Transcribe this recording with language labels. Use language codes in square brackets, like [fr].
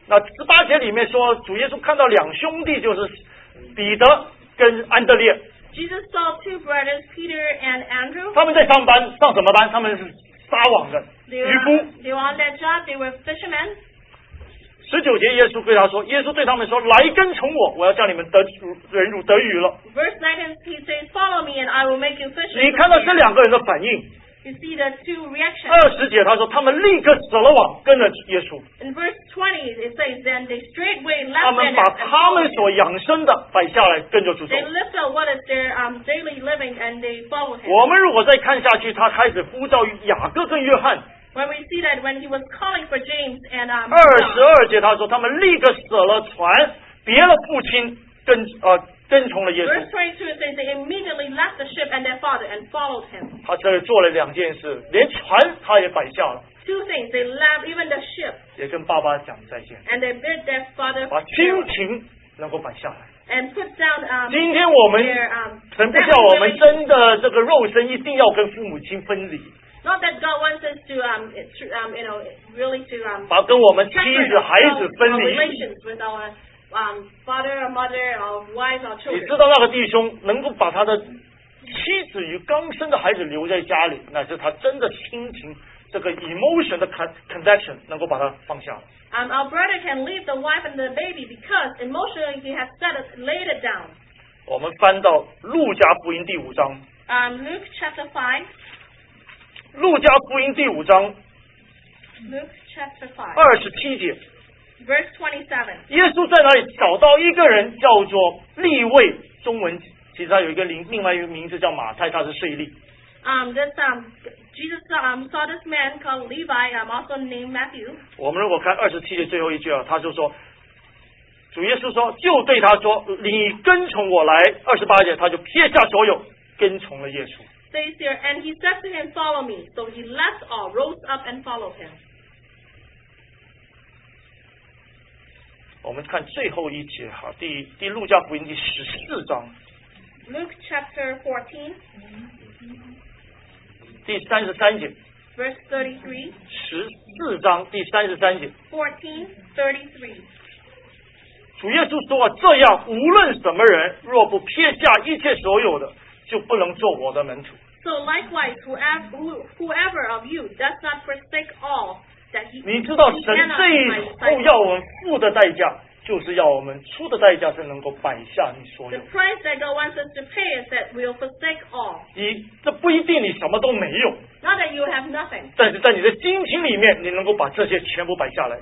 [zh] 那十八节里面说，主耶稣看到两兄弟，就是彼得跟安德烈。 [en] Jesus saw two brothers, Peter and Andrew。 [zh] 他们在上班，上什么班？他们是。撒网的渔夫。 [en] They were on that job. They were fishermen. [zh] 十九节，耶稣对他说：“耶稣对他们说，来跟从我，我要叫你们得人如得鱼了。” [en] Verse 19, he says, "Follow me, and I will make you fishers." [zh] 你看到这两个人的反应。 [en] You see the two reactions. [zh] 二十节，他说他们立刻舍了网，跟着耶稣。 [en] In verse 20, it says, "Then they straightway left [zh] 他们把他们所养生的摆下来，跟着主走。 [en] They lift up what is their daily living, and they followed him. [zh] 我们如果再看下去，他开始呼召雅各跟约翰。 [en] When we see that when he was calling for James and [zh] 二十二节，他说他们立刻舍了船，别了父亲，跟从了耶稣。 [en] Verse 22 says they immediately left the ship and their father and followed him. [zh] 他这里做了两件事，连船他也摆下了。 [en] Two things, they left even the ship. [zh] 也跟爸爸讲再见。 [en] And they bid their father. [zh] 把亲情能够摆下来。 [en] And put down. [zh] 今天我们神不叫我们真的这个肉身一定要跟父母亲分离。 [en] Not that God wants us to really to [zh] 把跟我们妻子孩子分离。 [en] Father, or mother, or wife, or children. [zh] 你知道那个弟兄能够把他的妻子与刚生的孩子留在家里，那是他真的亲情，这个 emotion 的 connection 能够把他放下。 [en] Our brother can leave the wife and the baby because emotionally he has set it, laid it down. [zh] 我们翻到路加福音第五章。 [en] Luke chapter 5. [zh] 路加福音第五章。 [en] Luke chapter 5. [zh] 二十七节。 [en] Verse 27. [zh] 耶稣在哪里找到一个人叫做利未，中文其实他有一个另外一个名字叫马太，他是税吏。 [en] Jesus saw this man called Levi, also named Matthew. [zh] 我们如果看二十七节最后一句啊，他就说，主耶稣说，就对他说，你跟从我来。二十八节，他就撇下所有，跟从了耶稣。 [en] Says here, and he said to him, "Follow me." So he left all, rose up, and followed him. [zh] 我们看最后一节哈，第路加福音第十四章 [en] ，Luke chapter 14， [zh] 第三十三节 [en] ，Verse 33， [zh] 十四章第三十三节 [en] ，14:33， [zh] 主耶稣说，这样无论什么人，若不撇下一切所有的，就不能做我的门徒。 [en] So likewise, whoever of you does not forsake all。 [zh] 你知道神最后要我们付的代价，就是要我们出的代价是能够摆下你所有。 [en] The price that God wants us to pay is that we will forsake all. [zh] 你这不一定你什么都没有。 [en] Not that you have nothing. [zh] 但是在你的心情里面，你能够把这些全部摆下来。